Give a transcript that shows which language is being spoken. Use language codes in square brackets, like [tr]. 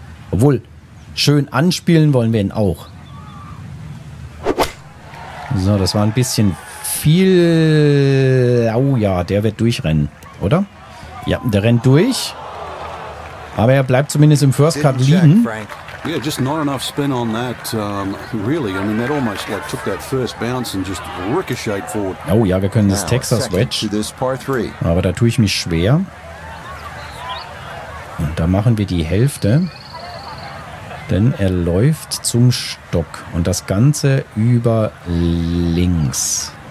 [de] Obwohl, schön anspielen wollen wir ihn auch. So, das war ein bisschen viel. Oh ja, der wird durchrennen, oder? Ja, der rennt durch. Aber er bleibt zumindest im First Cut liegen. [en] Yeah, just not enough spin on that, really. I mean, that almost like took that first bounce and just ricocheted forward. [de] Oh ja, wir können das Texas Wedge. [en] This par three. [de] Aber da tue ich mich schwer. Und da machen wir die Hälfte. Denn er läuft zum Stock. Und das Ganze über links.